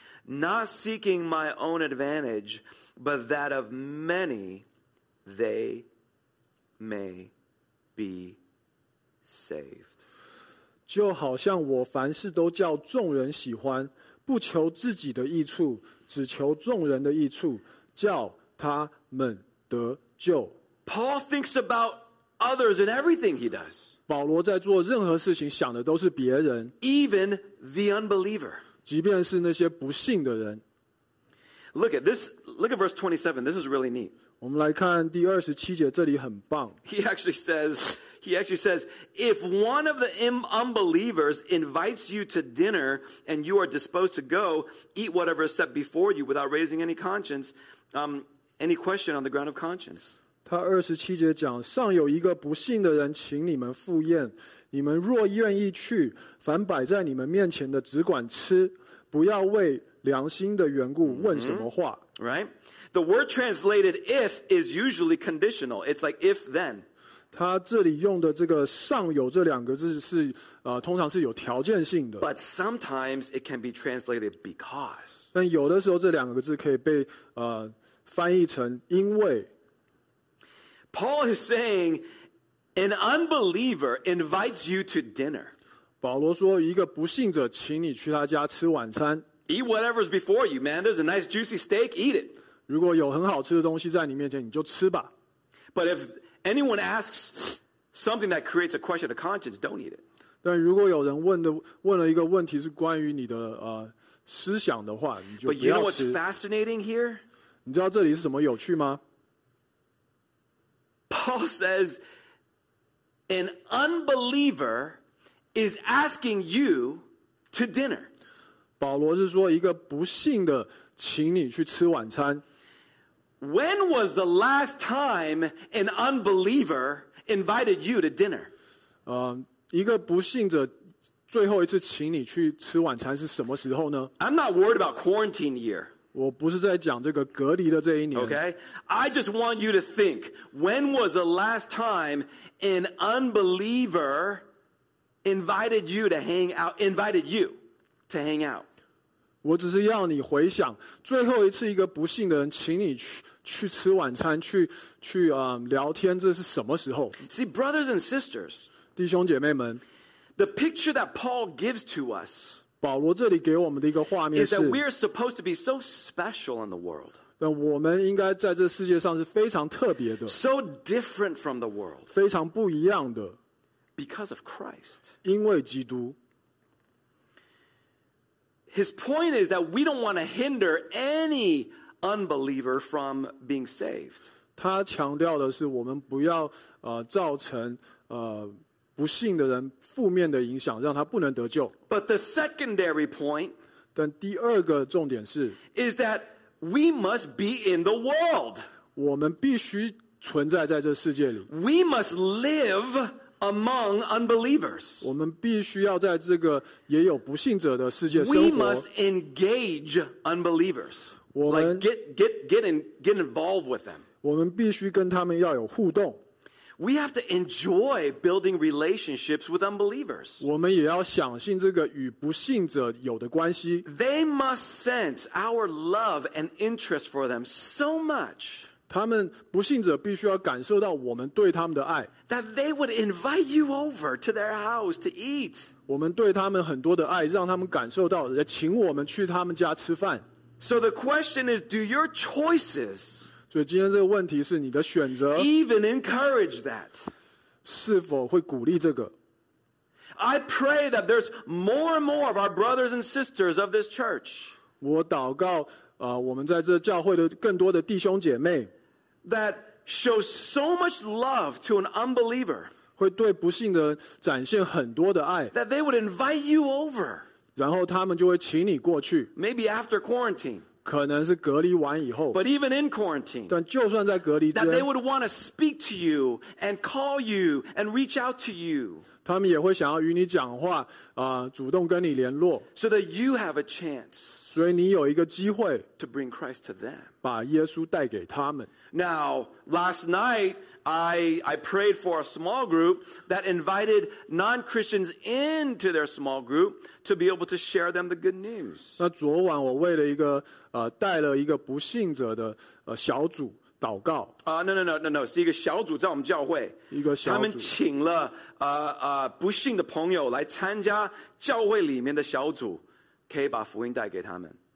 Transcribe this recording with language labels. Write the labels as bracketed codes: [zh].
[en] not seeking my own advantage, but that of many, they may be saved. [zh] 就好像我凡事都叫众人喜欢，不求自己的益处，只求众人的益处，叫他们得救。 [en] Paul thinks about others in everything he does. [zh] 保罗在做任何事情想的都是别人。 [en] Even the unbeliever. [zh] 即便是那些不信的人。 [en] Look at this, look at verse 27, this is really neat. [zh] 我们来看第二十七节，这里很棒。 [en] He actually says, if one of the unbelievers invites you to dinner and you are disposed to go, eat whatever is set before you without raising any conscience, any question on the ground of conscience. [zh] 他二十七节讲，尚有一个不信的人请你们赴宴，你们若愿意去，凡摆在你们面前的只管吃，不要为良心的缘故问什么话。 [en] Right? The word translated if is usually conditional. It's like if then. [zh] 他这里用的这个尚有这两个字是通常是有条件性的。 [en] But sometimes it can be translated because. [zh] 但有的时候这两个字可以被翻译成因为。 [en] Paul is saying, an unbeliever invites you to dinner. [zh] 保罗说，一个不信者请你去他家吃晚餐。 [en] Eat whatever is before you, man. There's a nice juicy steak, eat it. [zh] 如果有很好吃的东西在你面前，你就吃吧。 [en] But if anyone asks something that creates a question of conscience, don't eat it. [zh] 但如果有人问了一个问题是关于你的思想的话，你就不要吃。 [en] But you know what's fascinating here? [zh] 你知道这里是什么有趣吗？ [en] Paul says, an unbeliever is asking you to dinner. [zh] 保罗是说一个不信的请你去吃晚餐。 [en] When was the last time an unbeliever invited you to dinner? [zh] 一个不信者最后一次请你去吃晚餐是什么时候呢？ [en] I'm not worried about quarantine year. [zh] 我不是在讲这个隔离的这一年。 [en] Okay, I just want you to think, when was the last time an unbeliever invited you to hang out? [zh] 我只是要你回想，最后一次一个不信的人请你去吃晚餐，去聊天，这是什么时候？ [en] See, brothers and sisters, [zh] 弟兄姐妹们， [en] the picture that Paul gives to us, [zh] 保罗这里给我们的一个画面是， [en] is that we are supposed to be so special in the world. [zh] 那我们应该在这世界上是非常特别的， [en] so different from the world, [zh] 非常不一样的， [en] because of Christ, [zh] 因为基督。 [en] His point is that we don't want to hinder any unbeliever from being saved. [zh] 他强调的是我们不要造成不信的人负面的影响，让他不能得救。 [en] But the secondary point, [zh] 但第二个重点是， [en] is that we must be in the world. [zh] 我们必须存在在这世界里。 [en] We must live among unbelievers. [zh] 我们必须要在这个也有不信者的世界生活。 [en] We must engage unbelievers. Like get involved with them. [zh] 我们必须跟他们要有互动。 [en] We have to enjoy building relationships with unbelievers. [zh] 我们也要享受这个与不信者有的关系。 [en] They must sense our love and interest for them so much. [zh] 他们不信者必须要感受到我们对他们的爱。 [en] That they would invite you over to their house to eat. [zh] 我们对他们很多的爱，让他们感受到，请我们去他们家吃饭。 [en] So the question is, do your choices, [zh] 所以今天这个问题是你的选择， [en] even encourage that, [zh] 是否会鼓励这个？ [en] I pray that there's more and more of our brothers and sisters of this church, [zh] 我祷告我们在这教会的更多的弟兄姐妹， [en] that show so much love to an unbeliever, [zh] 会对不信的展现很多的爱， [en] that they would invite you over, [zh] 然后他们就会请你过去， [en] maybe after quarantine, [zh] 可能是隔离完以后， [en] but even in quarantine, [zh] 但就算在隔离之间， [en] that they would want to speak to you and call you and reach out to you, [zh] 他们也会想要与你讲话，主动跟你联络。 [en] So that you have a chance. [zh] 所以你有一个机会 [en] to bring Christ to them. [zh] 把耶稣带给他们。 [en] Now, last night, I prayed for a small group that invited non-Christians into their small group to be able to share them the good news. [zh] 那昨晚我为了一个带了一个不信者的小组祷告。 [en] No, [zh] 是一个小组在我们教会。一个小组。他们请了不信的朋友来参加教会里面的小组，可以把福音带给他们。